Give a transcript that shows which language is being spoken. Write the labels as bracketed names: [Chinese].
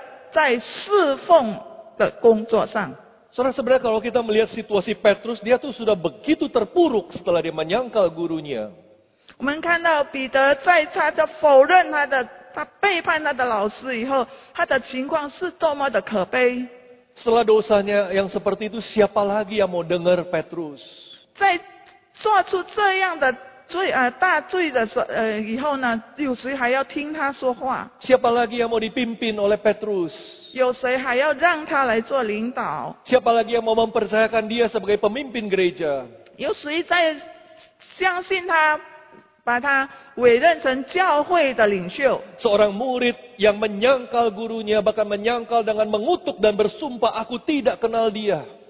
[Chinese] 主耶稣对彼得的这种修复呢，却是把彼得再重新放回的在侍奉的工作上。 [Indonesian] Saudara, sebenarnya kalau kita melihat situasi Petrus, dia tuh sudah begitu terpuruk setelah dia menyangkal gurunya. [Chinese] 我们看到彼得在他的否认他的，他背叛他的老师以后，他的情况是多么的可悲。 [Indonesian] Setelah dosanya yang seperti itu, siapa lagi yang mau dengar Petrus? [Chinese] 在做出这样的罪大罪的时候呢，有谁还要听他说话？ [Indonesian] Siapa lagi yang mau dipimpin oleh Petrus? [Chinese] 有谁还要让他来做领导？ [Indonesian] Siapa lagi yang mau mempercayakan dia sebagai pemimpin gereja? [Chinese] 有谁在相信他？把他委任成教会的领袖。 [Indonesian] Seorang murid yang menyangkal gurunya, bahkan menyangkal dengan mengutuk dan bersumpah, aku tidak kenal dia.